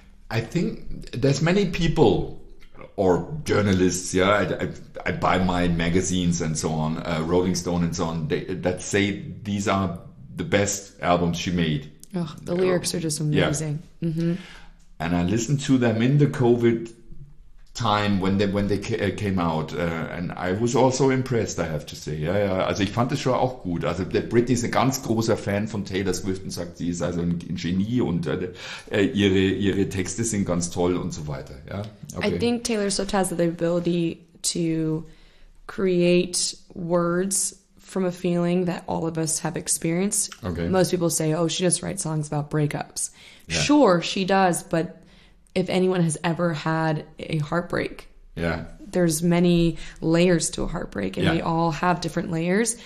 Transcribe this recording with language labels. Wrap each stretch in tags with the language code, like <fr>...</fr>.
<en>I think there's many people or journalists, I buy my magazines and so on, Rolling Stone and so on, that say these are the best albums she made. Oh, the lyrics are just amazing. Yeah. Mm-hmm. And I listened to them in the COVID time when they came out, and I was also impressed, I have to say.</en> <de>Ja, ja. Also ich fand es schon auch gut. Also der Britney ist ein ganz großer Fan von Taylor Swift und sagt, sie ist also ein Genie und ihre Texte sind ganz toll und so weiter. Ja?</de> <en>Okay. I think Taylor Swift has the ability to create words from a feeling that all of us have experienced. Okay. Most people say, oh, she just writes songs about breakups. Yeah. Sure, she does, but if anyone has ever had a heartbreak, there's many layers to a heartbreak and they all have different layers.</en>